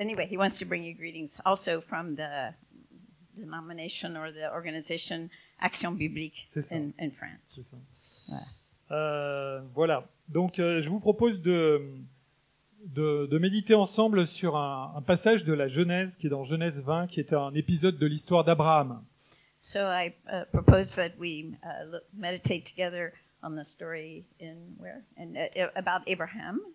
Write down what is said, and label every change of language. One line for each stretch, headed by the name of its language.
English: He wants to bring you greetings also from the denomination or the organization Action Biblique in France.
French: C'est ça. Ouais. Voilà. Donc, je vous propose de méditer ensemble sur un passage de la Genèse qui est dans Genèse 20, qui est un épisode de l'histoire d'Abraham.
English: So I propose that we meditate together on the story in where and about Abraham.